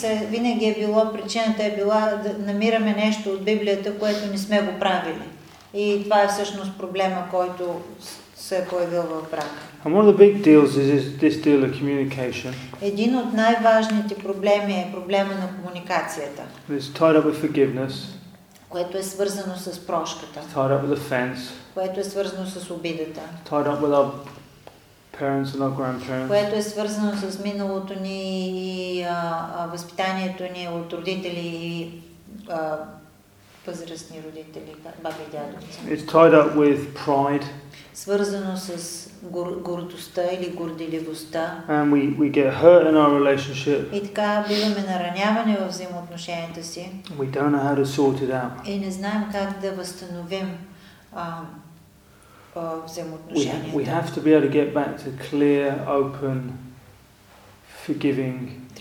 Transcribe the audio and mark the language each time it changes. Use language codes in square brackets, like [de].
[bg] Винаги е било, причината е била да намираме нещо от Библията, което не сме го правили. И това е всъщност проблема, който се е появил в брака. [en] And one of the big deals is this deal of communication. [bg] Един от най-важните проблеми е проблема на комуникацията. [en] It's tied up with forgiveness. [bg] Което е свързано с прошката. [en] Tied up with offense. [bg] Което е свързано с обидата. [en] Tied up with our parents and our grandparents. [bg] Което е свързано с миналото ни и възпитанието ни от родители и възрастни родители, баби и дядовци. [en] It's tied up with pride. [bg] Свързано с гордостта или горделивостта. [en] And we get hurt in our relationship. [bg] И така биваме наранявани във взаимоотношенията си. [en] We don't know how to sort it out. [bg] И не знаем как да възстановим взаимоотношенията. [en] We have to be able to get back to clear, open, forgiving communication.